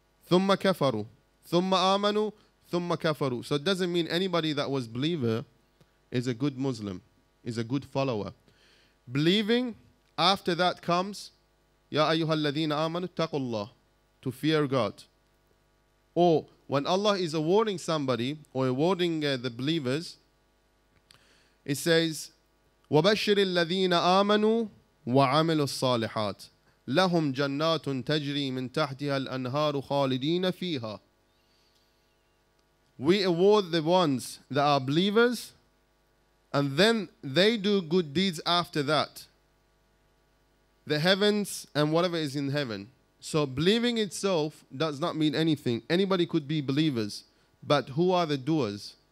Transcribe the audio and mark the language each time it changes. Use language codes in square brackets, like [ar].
[ar] ثُمَّ كَفَرُوا ثُمَّ آمَنُوا ثُمَّ كَفَرُوا. [en] So it doesn't mean anybody that was believer is a good Muslim, is a good follower. Believing, after that comes, [ar] يَا أَيُّهَا الَّذِينَ آمَنُوا اتَّقُوا اللَّهِ, [en] to fear God. Or when Allah is awarding somebody, or awarding the believers, it says, [ar] وَبَشِّرِ الَّذِينَ آمَنُوا وَعَمِلُوا الصَّالِحَاتِ لَهُمْ جَنَّاتٌ تَجْرِي مِنْ تَحْتِهَا الْأَنْهَارُ خَالِدِينَ فِيهَا. [en] We award the ones that are believers, and then they do good deeds after that. The heavens and whatever is in heaven. So believing itself does not mean anything. Anybody could be believers, but who are the doers?